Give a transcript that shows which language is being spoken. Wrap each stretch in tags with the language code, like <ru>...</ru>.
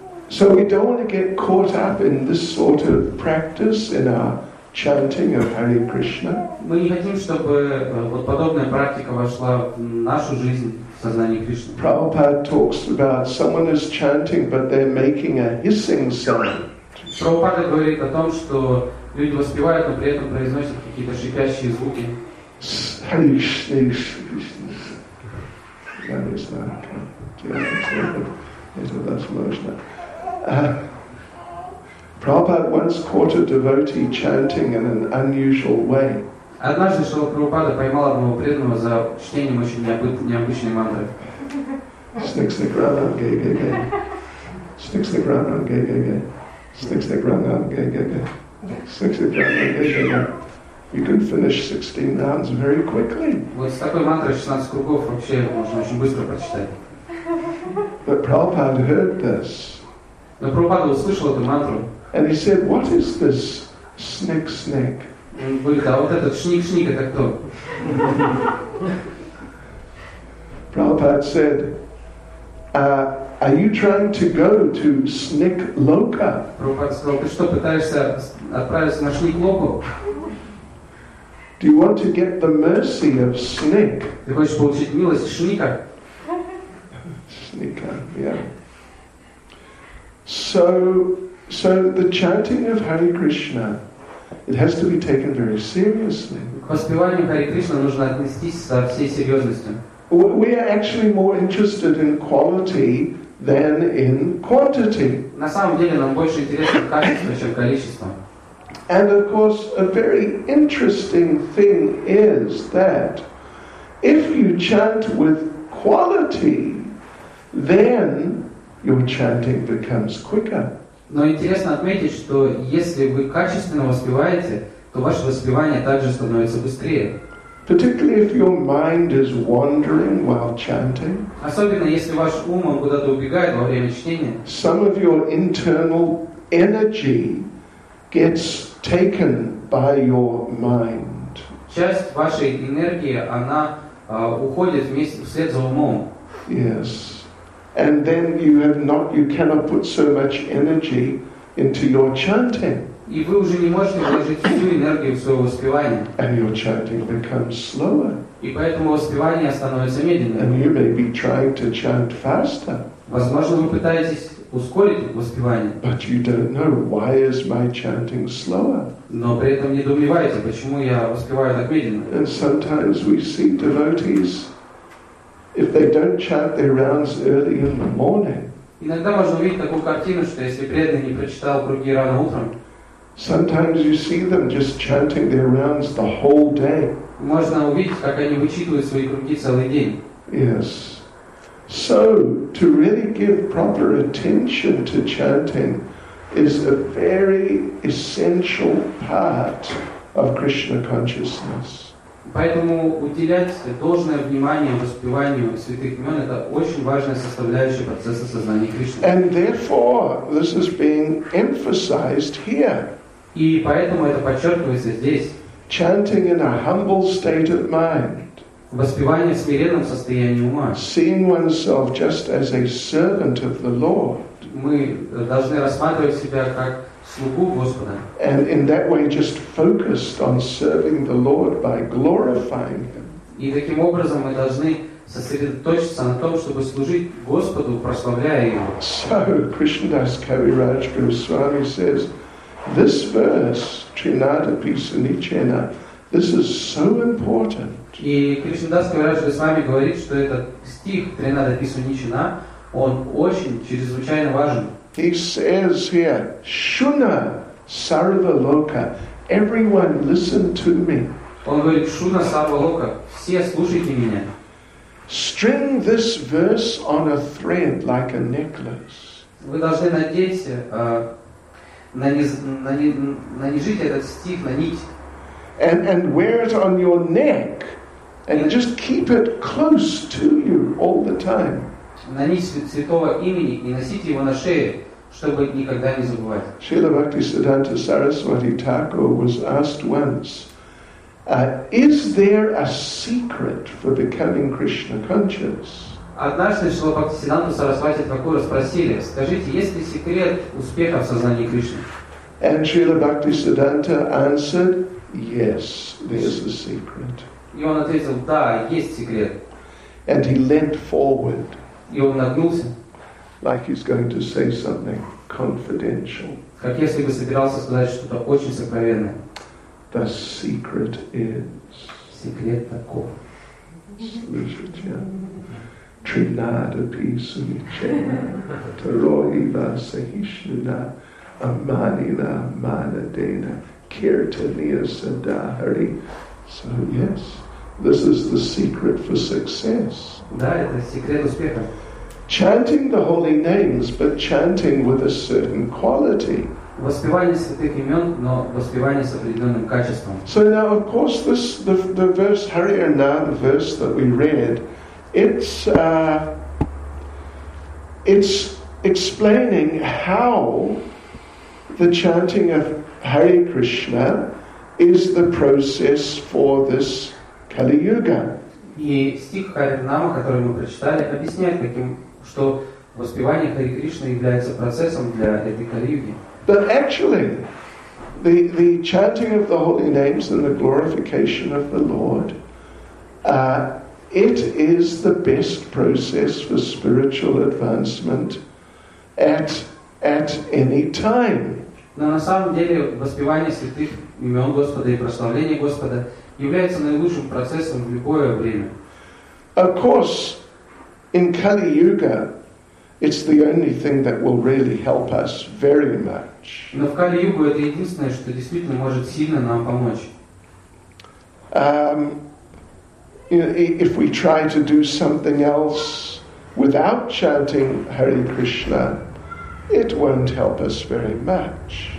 <en>So we don't want to get caught up in this sort of practice in our chanting of Hare Krishna.</en> <ru>Мы не хотим, чтобы вот подобная практика вошла в нашу жизнь, в сознание Кришны.</ru> <en>Prabhupada talks about someone is chanting, but they're making a hissing sound.</en> <ru>Прабхупада говорит о том, что люди воспевают, но при этом произносят какие-то шипящие звуки.</ru> <en>Hare Krishna, Krishna, that is not good. That's Krishna. Prabhupada once caught a devotee chanting in an unusual way.</en> <ru>Однажды Шрила Прабхупада поймал одного преданного за чтением очень необычной мантры. Stick stick run on gay gay gay. Stick stick run on gay gay gay. Stick stick run on gay gay gay. Stick stick run on gay gay gay.</ru> <en>You can finish 16 rounds very quickly.</en> <ru>Вот с такой мантрой 16 кругов вообще можно очень быстро прочитать.</ru> <en>But Prabhupada heard this.</en> <ru>Но Прабхупада услышал эту мантру.</ru> <en>And he said, what is this snick snick?</en> <ru>Он говорит, а вот этот шник шник это кто?</ru> <en>Prabhupada said, are you trying to go to snick loka?</en> <ru>Прабхупада сказал, ты что пытаешься отправиться на шник локу?</ru> <en>Do you want to get the mercy of snick?</en> <ru>Ты хочешь получить милость шника?</ru> <en>Шника, yeah. So the chanting of Hare Krishna, it has to be taken very seriously.</en> <ru>К воспеванию Hare Krishna нужно отнестись со всей серьезностью.</ru> <en>We are actually more interested in quality than in quantity.</en> <ru>На самом деле нам больше интересно качество, чем количество.</ru> <en>And of course, a very interesting thing is that if you chant with quality, then your chanting becomes quicker.</en> <ru>Но интересно отметить, что если вы качественно воспеваете, то ваше воспевание также становится быстрее.</ru> <en>Particularly if your mind is wandering while chanting.</en> <ru>Особенно если ваш ум куда-то убегает во время чтения.</ru> <en>Some of your internal energy gets taken by your mind.</en> <ru>Часть вашей энергии она уходит вслед за умом.</ru> <en>Yes. And then you cannot put so much energy into your chanting.</en> <ru>И вы уже не можете вложить всю энергию в свое воспевание.</ru> <en>And your chanting becomes slower.</en> <ru>И поэтому воспевание становится медленнее.</ru> <en>And you may be trying to chant faster.</en> <ru>Возможно, вы пытаетесь ускорить воспевание.</ru> <en>But you don't know why is my chanting slower.</en> <ru>Но при этом не недоумеваете, почему я воспеваю так медленно.</ru> <en>And sometimes we see devotees, if they don't chant their rounds early in the morning.</en> <ru>Иногда можно увидеть такую картину, что если преданный не прочитал круги рано утром.</ru> <en>Sometimes you see them just chanting their rounds the whole day.</en> <ru>Можно увидеть, как они вычитывают свои круги целый день.</ru> <en>Yes. So to really give proper attention to chanting is a very essential part of Krishna consciousness.</en> <ru>Поэтому уделять должное внимание воспеванию святых имен — это очень важная составляющая процесса сознания Кришны.</ru> <en>And therefore this is being emphasized here.</en> <ru>И поэтому это подчеркивается здесь.</ru> <en>Chanting in a humble state of mind.</en> <ru>Воспевание в смиренном состоянии ума.</ru> <en>Seeing oneself just as a servant of the Lord.</en> <ru>Мы должны рассматривать себя как слугу Господа.</ru> <en>And in that way just focused on serving the Lord by glorifying Him.</en> <ru>И таким образом мы должны сосредоточиться на том, чтобы служить Господу, прославляя Его.</ru> <en>So Krishnadas Kaviraj Goswami says, this verse, Trinadapi Sunichena, this is so important.</en> <ru>И Кришнадас Кавираж Госвами говорит, что этот стих Тринадапи Суничина, он очень чрезвычайно важен.</ru> <en>He says here, Shuna Sarva Loka, everyone listen to me.</en> <ru>Он говорит,</ru> <sa>Shuna Sarva Loka,</sa> <ru>все слушайте меня.</ru> <en>String this verse on a thread like a necklace.</en> <ru>Вы должны нанизать этот стих на нить.</ru> <en>And wear it on your neck. And just keep it close to you all the time.</en> <ru>Нанизать святого имени и носить его на шее, чтобы никогда не забывать.</ru> <en>Srila Bhaktisiddhanta Saraswati Thakur was asked once, is there a secret for becoming Krishna conscious?</en> <ru>Однажды Srila Bhaktisiddhanta Saraswati Thakura спросили, скажите, есть ли секрет успеха в сознании Кришны?</ru> <en>And Srila Bhaktisiddhanta answered, yes, there's a secret.</en> <ru>И он ответил, да, есть секрет.</ru> <en>And he leant forward.</en> <ru>И он нагнулся.</ru> <en>Like he's going to say something confidential.</en> <ru>Как если бы собирался сказать что-то очень сокровенное.</ru> <en>The secret is...</en> <ru>Секрет таков. Слышите?</ru> <sa>Тринадапи Суничена Тароива Сахишнина Аманина Манадена Киртания Садахари.</sa> <en>So yes, this is the secret for success.</en> <ru>Да, это секрет успеха.</ru> <en>Chanting the holy names, but chanting with a certain quality.</en> <ru>Воспевание святых имен, но воспевание с определенным качеством.</ru> <en>So now, of course, this the verse Hari Anand verse that we read, it's explaining how the chanting of Hare Krishna is the process for this Kali Yuga.</en> <ru>И стих Хари Нама, который мы прочитали, объясняет таким, что воспевание Хари Кришны является процессом для этой Кали Юги.</ru> <en>But actually, the chanting of the holy names and the glorification of the Lord, it is the best process for spiritual advancement at any time.</en> <ru>Но на самом деле воспевание святых имен Господа и прославление Господа является наилучшим процессом в любое время.</ru> <en>Of course, in Kali Yuga, it's the only thing that will really help us very much.</en> <ru>Но в Кали Югу это единственное, что действительно может сильно нам помочь.</ru> <en>If we try to do something else without chanting Hare Krishna, it won't help us very much.</en>